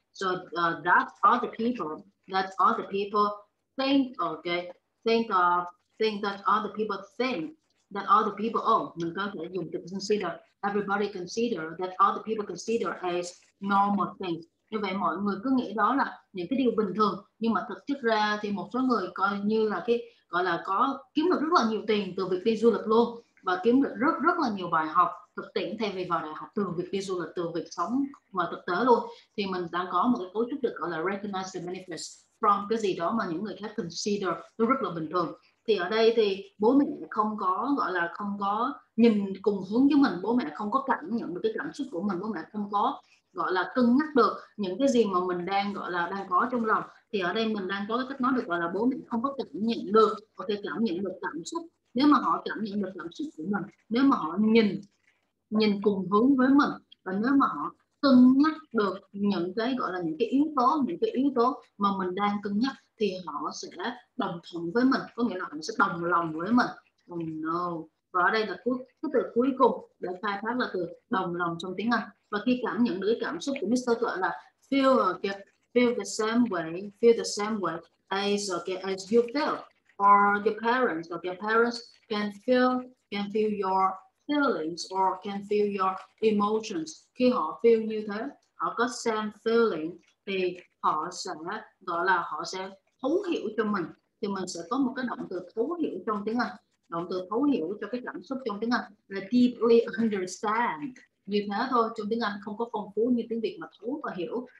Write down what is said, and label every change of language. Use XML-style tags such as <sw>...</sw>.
<en>So that other people, that other people think, okay, think of, think that other people think, that other people, oh,</en> <vi>mình có thể dùng</vi> <en>to consider, everybody consider, that other people consider as normal things.</en> <vi>Như vậy mọi người cứ nghĩ đó là những cái điều bình thường, nhưng mà thực chất ra thì một số người coi như là cái, gọi là có kiếm được rất là nhiều tiền từ việc đi du lịch luôn, và kiếm được rất rất là nhiều bài học thực tiễn thay vì vào đại học từ việc đi du lịch, từ việc sống và thực tế luôn. Thì mình đang có một cái cấu trúc được gọi là</vi> <en>recognize the benefits from</en> <vi>cái gì đó mà những người khác consider nó rất là bình thường. Thì ở đây thì bố mẹ không có, gọi là không có nhìn cùng hướng với mình, bố mẹ không có cảm nhận được cái cảm xúc của mình, bố mẹ không có gọi là cân nhắc được những cái gì mà mình đang gọi là đang có trong lòng. Thì ở đây mình đang có cái cách nói được gọi là bố mẹ không có cảm nhận được, có thể cảm nhận được cảm xúc. Nếu mà họ cảm nhận được cảm xúc của mình, nếu mà họ nhìn nhìn cùng hướng với mình, và nếu mà họ cân nhắc được những cái gọi là những cái yếu tố mà mình đang cân nhắc, thì họ sẽ đồng thuận với mình, có nghĩa là họ sẽ đồng lòng với mình.</vi> <en>Oh no.</en> <vi>Và ở đây là cái từ cuối cùng để khai thác là từ đồng lòng trong tiếng Anh. Và khi cảm nhận được cái cảm xúc của Mr. Tuệ là</vi> <en>feel the same way as, okay, as you feel, or your parents, or your parents can feel your feelings, or can feel your emotions.</en> <vi>Khi họ feel như thế, họ có</vi> <en>same feeling,</en> <vi>thì họ sẽ gọi là họ sẽ thấu hiểu cho mình. Thì mình sẽ có một cái động từ thấu hiểu trong tiếng Anh, động từ thấu hiểu cho cái cảm xúc trong tiếng Anh là</vi> <en>deeply understand.</en> <vi>Như thế thôi, trong tiếng Anh không có phong phú như tiếng Việt mà thấu và hiểu.</vi>